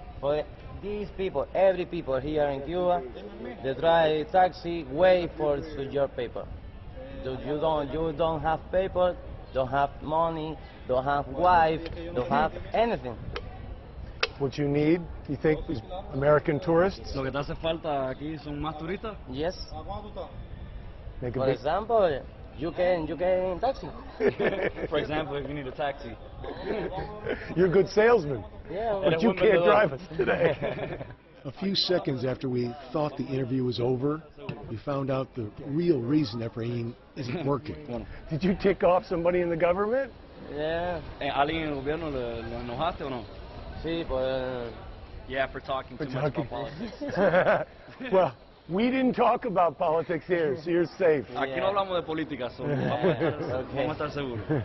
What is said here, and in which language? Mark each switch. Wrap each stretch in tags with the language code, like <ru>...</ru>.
<en>For these people, every people here in Cuba, they drive taxi, wait for your paper. You don't have paper, don't have money, don't have wife, don't have anything. What you need, you think, is American tourists?</en> <es>Lo que te hace falta aquí son más turistas?</es> <en>Yes. Make for example, you can taxi. For example, if you need a taxi. You're a good salesman. Yeah. But you can't drive us today. A few seconds after we thought the interview was over, we found out the real reason Efrain isn't working. Did you tick off somebody in the government? Yeah.</en> <es>¿Alguien en el gobierno lo enojaste o no?</es> <en>Yeah, for talking much about politics. Well, we didn't talk about politics here, so you're safe.</en> <es>Aquí no hablamos de política, so vamos a estar seguros.</es>